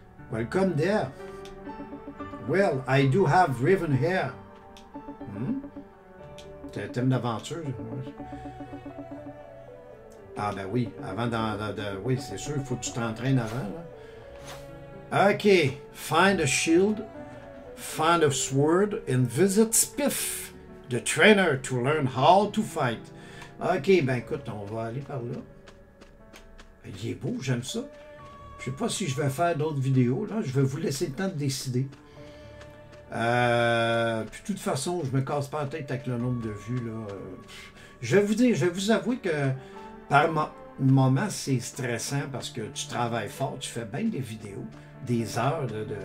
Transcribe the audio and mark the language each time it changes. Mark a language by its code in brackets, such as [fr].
[en] welcome there. Well, I do have raven hair. Hmm? [fr] T'es un thème d'aventure, ouais. Ah ben oui, avant de oui, c'est sûr, il faut que tu t'entraînes avant, là. [en] OK, find a shield, find a sword, and visit Spiff, the trainer, to learn how to fight. [fr] OK, ben écoute, on va aller par là. Il est beau, j'aime ça. Je sais pas si je vais faire d'autres vidéos, là. Je vais vous laisser le temps de décider. Puis de toute façon, je me casse pas la tête avec le nombre de vues, là. Je vais vous dire, je vais vous avouer que... Par moment, c'est stressant parce que tu travailles fort, tu fais bien des vidéos, des heures de...